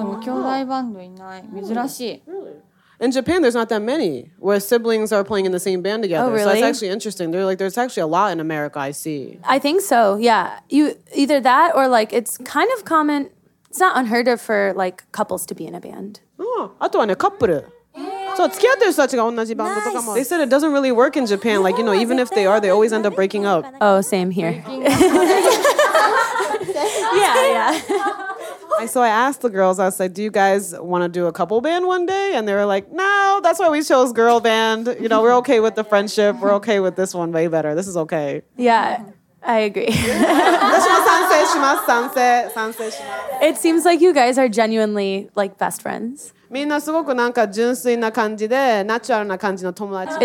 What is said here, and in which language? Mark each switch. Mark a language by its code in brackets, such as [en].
[ja] 兄弟バンドいない。珍しい。 [en] In Japan, there's not that many where siblings are playing in the same band together. Oh, really? So that's actually interesting. They're like, there's actually a lot in America, I see. I think so, yeah. You either that or like, it's kind of common. It's not unheard of for like couples to be in a band. [ja] Oh, あとはね、カップル。So 付き合ってる人たちが同じバンドとかも。 [en] They said it doesn't really work in Japan. Like, you know, even if they are, they always end up breaking up. Oh, same here. Yeah, yeah. So I asked the girls, I was like, do you guys want to do a couple band one day? And they were like, no, that's why we chose girl band. You know, we're okay with the friendship. We're okay with this one way better. This is okay. Yeah, I agree. [ja] 私も賛成します。賛成します。 [en] It seems like you guys are genuinely like best friends. [ja] みんなすごくなんか純粋な感じで、ナチュラルな感じの友達。